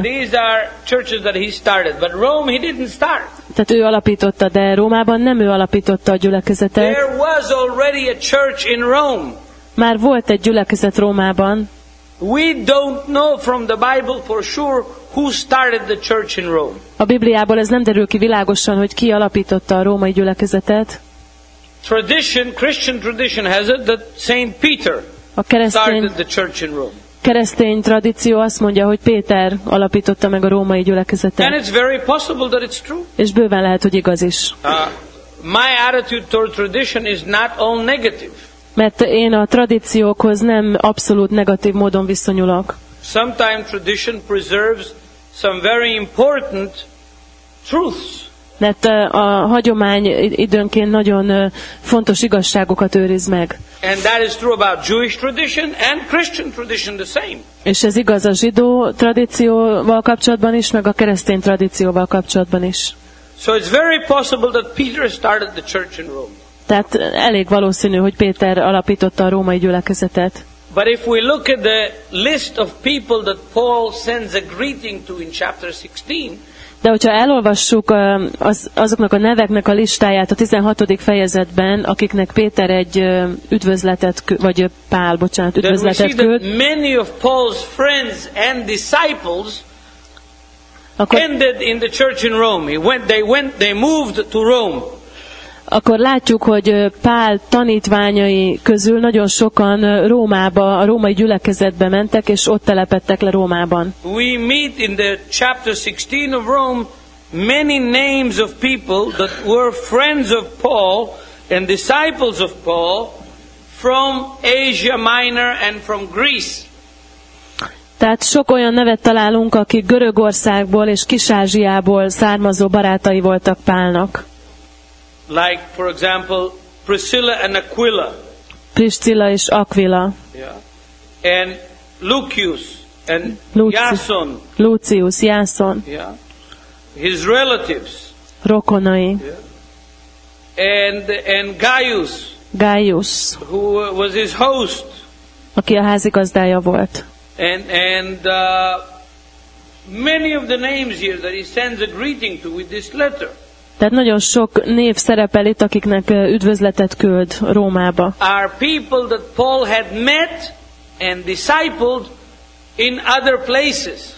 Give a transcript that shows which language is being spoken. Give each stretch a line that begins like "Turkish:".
English: These are churches that he started, but Rome he didn't start.
Hungarian: Tehát ő alapította, de Rómában nem ő alapította a gyülekezetet.
English: There was already a church in Rome.
Hungarian: Már volt egy gyülekezet Rómában.
English: We don't know from the Bible for sure who started the church in Rome.
Hungarian: A Bibliából ez nem derül ki világosan, hogy ki alapította a római gyülekezetet.
English: Tradition, Christian tradition has it that Saint Peter started the church in Rome.
Hungarian: Keresztény tradíció azt mondja, hogy Péter alapította meg a római gyülekezetet.
English: And it's very possible that it's true.
Hungarian: És bőven lehet, hogy igaz is.
English: My attitude toward tradition is not all negative.
Hungarian: Mert én a tradíciókhoz nem abszolút negatív módon viszonyulok.
English: Sometimes tradition preserves some very important truths.
Hungarian: mert a hagyomány időnként nagyon fontos igazságokat őriz meg.
English: And that is true about Jewish tradition and Christian tradition the same.
Hungarian: És ez igaz a zsidó tradícióval kapcsolatban is, meg a keresztény tradícióval kapcsolatban is.
English: So it's very possible that Peter started the church in Rome.
Hungarian: Tehát elég valószínű, hogy Péter alapította a római gyülekezetet.
English: But if we look at the list of people that Paul sends a greeting to in chapter 16,
Hungarian: de hogyha elolvassuk azoknak a neveknek a listáját a 16. fejezetben, akiknek Péter egy üdvözletet, vagy Pál, bocsánat, üdvözletet küld,
English: many of Paul's friends and disciples ended in the church in Rome. They moved to Rome.
Hungarian: Akkor látjuk, hogy Pál tanítványai közül nagyon sokan Rómába, a római gyülekezetbe mentek, és ott telepedtek le Rómában.
English: We meet in the chapter 16 of Rome many names of people that were friends of Paul and disciples of Paul from Asia Minor and from Greece.
Hungarian: Tehát sok olyan nevet találunk, akik Görögországból és Kis-Ázsiából származó barátai voltak Pálnak.
English: Like for example Priscilla and Aquila.
Hungarian: Priscilla és Aquila.
English: Yeah. And Lucius and Jason.
Hungarian: Lucius, Jason.
English: Yeah. His relatives.
Hungarian: Rokonai.
English: Yeah. And Gaius.
Hungarian: Gaius.
English: Who was his host?
Hungarian: Aki a házigazdája volt.
English: And many of the names here that he sends a greeting to with this letter.
Hungarian: Tehát nagyon sok név szerepel itt, akiknek üdvözletet küld Rómába.
English: Are people that Paul had met and discipled in other places.